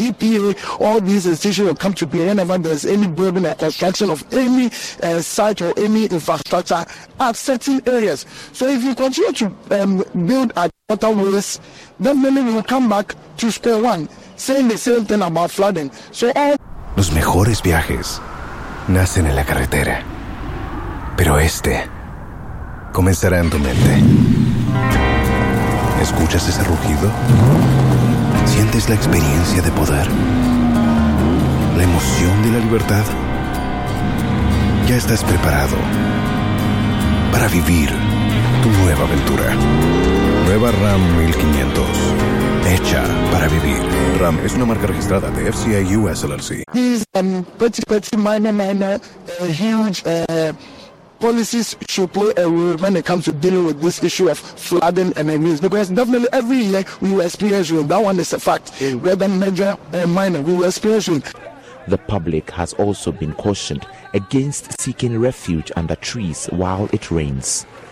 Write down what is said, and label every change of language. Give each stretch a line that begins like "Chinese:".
English: EPA, all these institutions will come to play whenever there's any building or construction of any site or any infrastructure at certain areas. So if you continue to build at waterways, then many will come back to square one, saying the same thing about flooding. So,
Spanish: Los mejores viajes nacen en la carretera, pero este comenzará en tu mente. ¿Escuchas ese rugido? ¿Sientes la experiencia de poder? ¿La emoción de la libertad? Ya estás preparado para vivir tu nueva aventura. Nueva Ram 1500. Hecha para vivir. Ram es una marca registrada de FCA US LLC.
English: These policies should play a role when it comes to dealing with this issue of flooding and rains, because definitely every year we will experience rain. That one is a fact. Whether major or minor, we will experience rain. The public has also been cautioned against seeking refuge under trees while it rains.